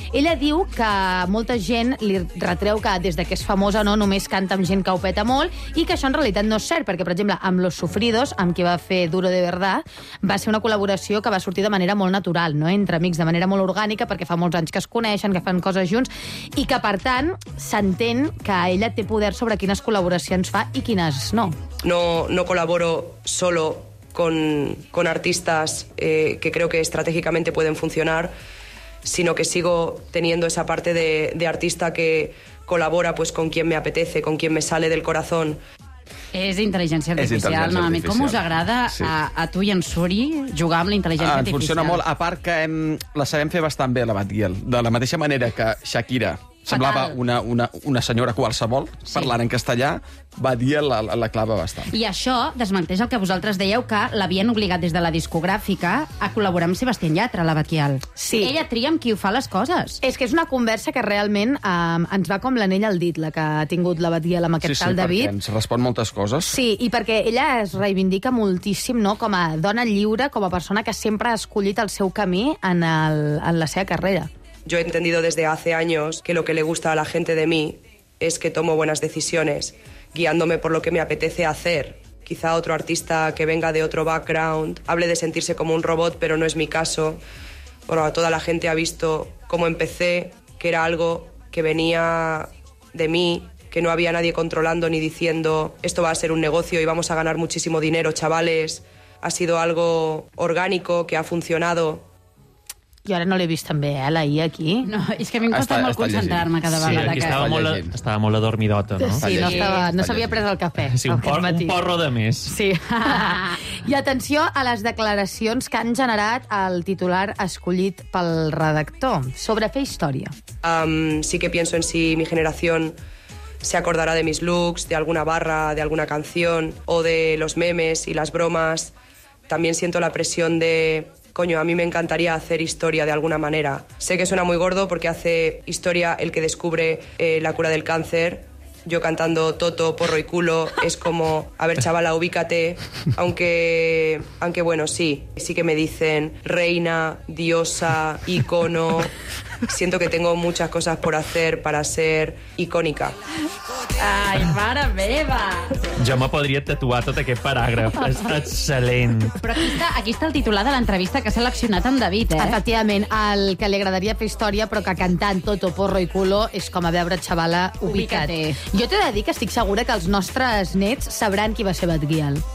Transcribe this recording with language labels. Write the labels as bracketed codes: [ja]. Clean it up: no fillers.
[ca] Ella diu que molta gent li retreu que des que és famosa no només canta amb gent que ho peta molt i que això en realitat no és cert, perquè, per exemple, amb Los Sufridos, amb qui va fer Duro de Verdad, va ser una col·laboració que va sortir de manera molt natural, no entre amics, de manera molt orgànica, perquè fa molts anys que es coneixen, que fan coses junts, i que, per tant, s'entén que ella té poder sobre quines col·laboracions fa i quines no. [es] No col·laboro solo... Con artistas que creo que estratégicamente pueden funcionar, sino que sigo teniendo esa parte de artista que colabora pues, con quien me apetece, con quien me sale del corazón. [ca] És intel·ligència artificial, normalment. Com us agrada a tu i en Suri jugar amb la intel·ligència artificial? Funciona molt, a part que la sabem fer bastant bé, la Batguial. De la mateixa manera que Shakira Semblava una senyora qualsevol, sí, parlant en castellà, va dir la clava bastant. I això desmenteix el que vosaltres dèieu, que l'havien obligat des de la discogràfica a col·laborar amb Sebastián Yatra, la Baquial. Sí. Ella tria amb qui ho fa les coses. És que és una conversa que realment ens va com l'anell al dit, la que ha tingut la Baquial amb aquest, sí, tal David. Sí, perquè ens respon moltes coses. Sí, i perquè ella es reivindica moltíssim, no?, com a dona lliure, com a persona que sempre ha escollit el seu camí en la seva carrera. [es] Yo he entendido desde hace años que lo que le gusta a la gente de mí es que tomo buenas decisiones, guiándome por lo que me apetece hacer. Quizá otro artista que venga de otro background hable de sentirse como un robot, pero no es mi caso. Bueno, toda la gente ha visto cómo empecé, que era algo que venía de mí, que no había nadie controlando ni diciendo esto va a ser un negocio y vamos a ganar muchísimo dinero, chavales. Ha sido algo orgánico, que ha funcionado. [ca] Jo ara no l'he vist tan bé, la I aquí. No, és que a mi em costa molt concentrar-me cada vegada. Sí, aquí estava molt adormidota, no? Sí, no s'havia pres el cafè. Sí, un porro de més. Sí. I atenció a les declaracions que han generat el titular escollit pel redactor sobre fer història. [es] Sí que pienso en si mi generación se acordará de mis looks, de alguna barra, de alguna canción, o de los memes y las bromas. También siento la presión de... Coño, a mí me encantaría hacer historia de alguna manera. Sé que suena muy gordo porque hace historia el que descubre la cura del cáncer. Yo cantando Toto, porro y culo, es como, a ver, chavala, ubícate. Aunque bueno, sí que me dicen reina, diosa, icono. Siento que tengo muchas cosas por hacer para ser icónica. [ca] Ai, mare meva! Jo me podria tatuar tot aquest paràgraf. És excel·lent. Però aquí està el titular de l'entrevista que ha seleccionat en David, eh? Efectivament, el que li agradaria fer història, però que cantant Toto, porro i culo és com a veure xavala ubicat. Jo t'he de dir que estic segura que els nostres nets sabran qui va ser Baquial.